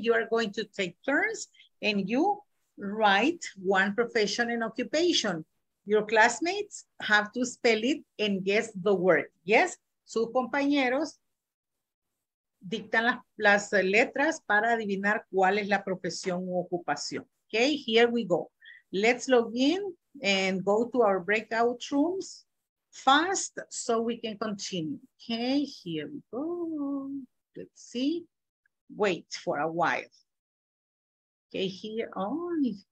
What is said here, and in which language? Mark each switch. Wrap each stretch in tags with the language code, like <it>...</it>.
<en>You are going to take turns and you write one profession and occupation. Your classmates have to spell it and guess the word.</en> <es>Yes, sus compañeros dictan las letras para adivinar cuál es la profesión u ocupación.</es> <en>Okay, here we go. Let's log in and go to our breakout rooms fast so we can continue. Okay, here we go. Let's see. Wait for a while. Okay, here on.</en>